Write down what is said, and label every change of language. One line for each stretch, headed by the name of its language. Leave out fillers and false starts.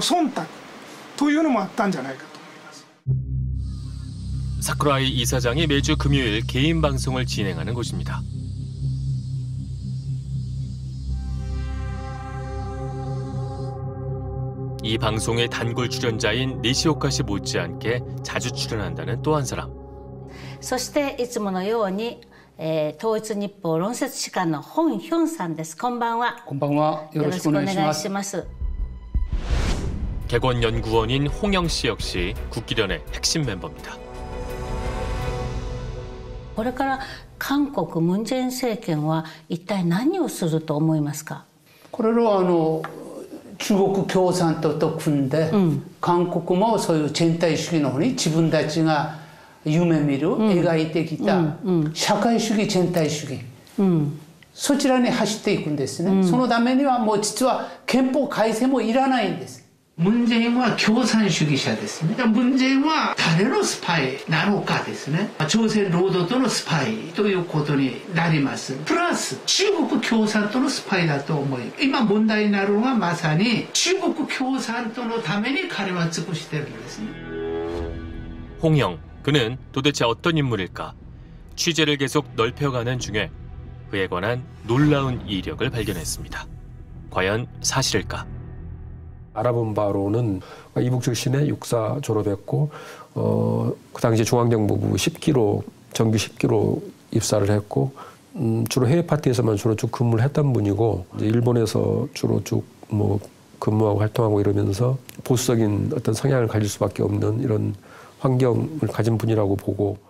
Japanese: まあ一つには日本の裁判所司法がですね非常にやはり右傾化しているということと当時安倍政権でしたから安倍政権への忖度というのもあったんじゃないかと思います。
Korean: 사쿠라이 이사장이 매주 금요일 개인 방송을 진행하는 곳입니다. 이 방송의 단골 출연자인 니시오카 씨 못지않게 자주 출연한다는 또 한 사람.
Japanese: そしていつものように
Korean: 통일일보 론셋시간의 홍현
Japanese: さんです. 건방와. 건방와. 요로시고네시마스.
Korean: 객원 연구원인 홍영 씨 역시 국기련의 핵심 멤버입니다.
Japanese: これから韓国ムン・ジェイン政権は一体何をすると思いますか。これは中国共産党と組んで、うん、韓国もそういう全体主義の方に自分たちが夢見る、うん、描いてきた、うんうん、社会主義全体主義、うん、そちらに走っていくんですね、うん、そのためにはもう実は憲法改正もいらないんです。文在寅は共産主義者ですね。文在寅は誰のスパイなのかですね、朝鮮労働党のスパイということになります。プラス中国共産党のスパイだと思い、今問題になるのはまさに中国共産党のために彼は尽くしているんですね。
Korean: 홍영、그는 도대체 어떤 인물일까? 취재를 계속 넓혀가는 중에 그에 관한 놀라운 이력을 발견했습니다. 과연 사실일까? 알아본 바로는 이북 출신의 육사 졸업했고 그 당시 중앙정부부 10기로 정규 10기로 입사를 했고 주로 해외 파티에서만 주로 쭉 근무를 했던 분이고 일본에서 주로 쭉 뭐 근무하고 활동하고 이러면서 보수적인 어떤 성향을 가질 수밖에 없는 이런환경을가진분이라고보고